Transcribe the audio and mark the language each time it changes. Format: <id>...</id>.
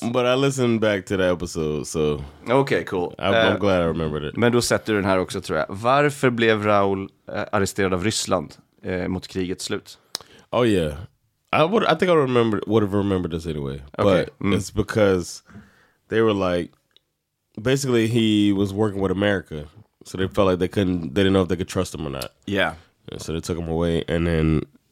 <en>But I listened back to the episode, so... Okay, cool. I'm glad I remembered it.</en> <sv>Men då sätter du den här också, tror jag. Varför blev Raoul arresterad av Ryssland mot krigets slut?</sv> <en>Oh, yeah. I think I would have remembered this anyway. Okay. But it's because they were like... Basically, he was working with America. So they felt like they couldn't... They didn't know if they could trust him or not. Yeah. And so they took him away, and then...</en>